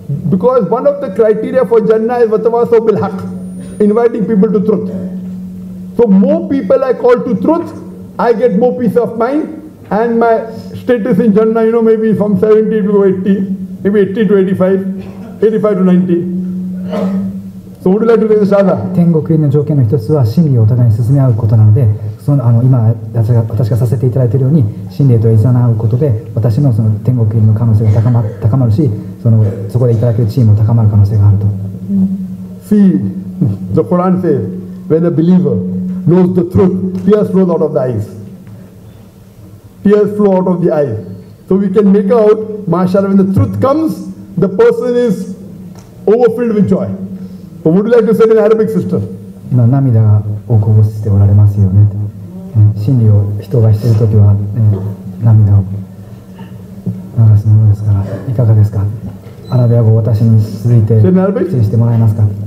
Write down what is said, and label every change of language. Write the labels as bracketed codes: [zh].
[en] Because one of the criteria for Jannah is watawasaw bil haq, inviting people to truth. So more people I call to truth, I get more peace of mind. And my status in Jannah, you know, maybe from 70 to 80, maybe 80 to 85, 85 to 90. So would you like to take the Shahada? [ja] 天国入りの条件の一つは真理をお互いに進み合うことなので、その、 あの、今私がさせていただいているように真理といざなうことで私 の、 その天国入りの可能性が高まるし、 そこでいただける地位も高まる可能性があると。 [en] See, the Quran says, when a believer knows the truth, tears flow out of the eyes. Tears flow out of the eyes. So we can make out, mashallah, when the truth comes, the person is overfilled with joy. But would you like to say it in Arabic, sister? [ja] なみだをこぼしておられますよね。真理を人が知るときは涙を流すものですから、いかがですか？アラビア語を私に続いて説明してもらえますか？